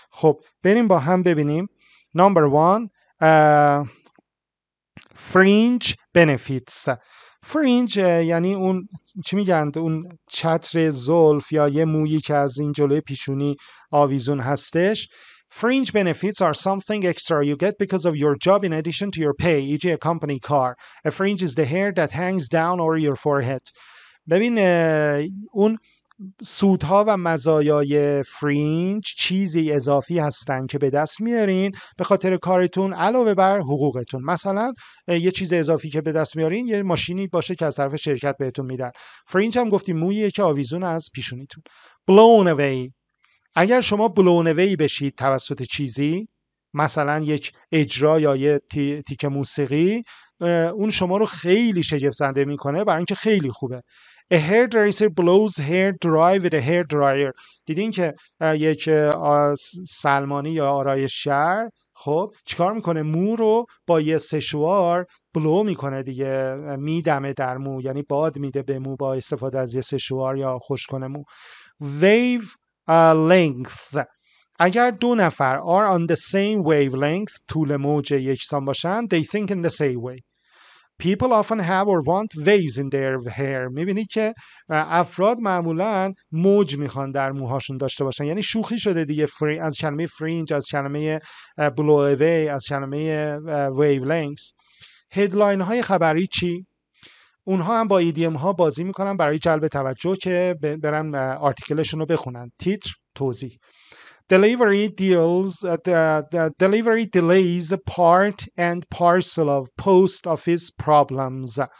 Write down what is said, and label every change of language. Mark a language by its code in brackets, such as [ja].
[fa] خب بریم با هم ببینیم. [en] number one fringe benefits. [fa] فرینج یعنی اون چی میگن، اون چتر زلف یا یه مویی که از این جلوی پیشونی آویزون هستش. [en] Fringe benefits are something extra you get because of your job in addition to your pay, e.g. a company car. A fringe is the hair that hangs down over your forehead. [fa] ببین اون سودها و مزایای فرینج چیزی اضافی هستن که به دست میارین به خاطر کارتون علاوه بر حقوقتون. مثلا یه چیز اضافی که به دست میارین یه ماشینی باشه که از طرف شرکت بهتون میدن. فرینج هم گفتیم موییه که آویزون از پیشونیتون. blown away، اگر شما blown away بشید توسط چیزی، مثلا یک اجرا یا یه تیک موسیقی، اون شما رو خیلی شگفت زنده میکنه برای اینکه خیلی خوبه. [en] A hairdresser blows hair dry with a hair dryer. [fa] دیدین که یک سلمانی یا آرایشگر خب چیکار میکنه؟ مو رو با یه سشوار بلو میکنه دیگه، میدمه در مو، یعنی باد میده به مو با استفاده از یه سشوار یا خشک‌کننده مو. [en] Wave length، [fa] اگر دو نفر [en] are on the same wavelength، [fa] طول موج یکسان باشن، [en] they think in the same way. People often have or want waves in their hair. [fa] میبینی که افراد معمولاً موج میخوان در موهاشون داشته باشن. یعنی شوخی شده دیگه از کلمه فرینج، از کلمه بلو اوی، از کلمه wavelengths. هیدلاین های خبری چی؟ اونها هم با ایدیوم ها بازی میکنن برای جلب توجه که برن آرتیکلشون رو بخونن. تیتر، توضیح. [en] Delivery delays part and parcel of post office problems.